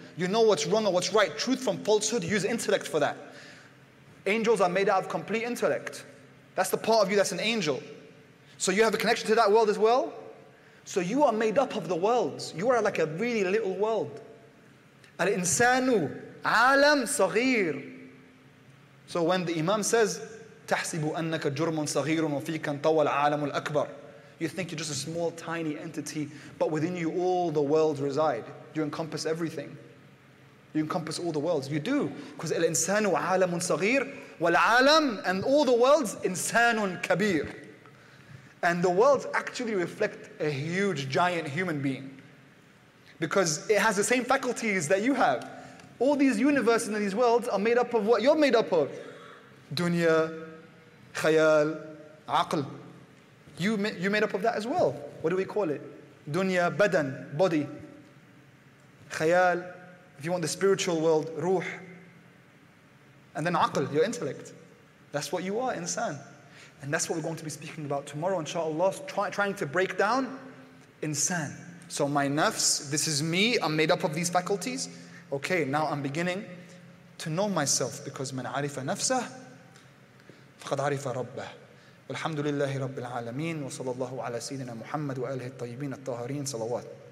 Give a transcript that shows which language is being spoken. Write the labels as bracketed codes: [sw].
[en] You know what's wrong or what's right, truth from falsehood, use intellect for that. Angels are made out of complete intellect. That's the part of you that's an angel. So you have a connection to that world as well? So you are made up of the worlds. You are like a really little world. [ar] Al-insanu alam saghir. [en] So when the Imam says, [ar] تَحْسِبُ أَنَّكَ جُرْمٌ صَغِيرٌ وَفِيكَ انْطَوَى الْعَالَمُ الْأَكْبَرُ. [en] You think you're just a small, tiny entity, but within you all the worlds reside. You encompass everything. You encompass all the worlds. You do. Because [ar] al-insanu alamun saghir, wal-alam, [en] and all the worlds, [ar] insanun kabir. [en] And the worlds actually reflect a huge, giant human being. Because it has the same faculties that you have. All these universes and these worlds are made up of what you're made up of. Dunya, khayal, aql. You made up of that as well. What do we call it? Dunya, badan, body. Khayal, if you want the spiritual world, ruh. And then aql, your intellect. That's what you are, insan. And that's what we're going to be speaking about tomorrow, inshallah, trying to break down insan. So my nafs, this is me, I'm made up of these faculties. Okay, now I'm beginning to know myself, because [ar] من عرف نفسه فقد عرف ربه. والحمد لله رب العالمين وصلى الله على سيدنا محمد وآله الطيبين الطاهرين صلوات.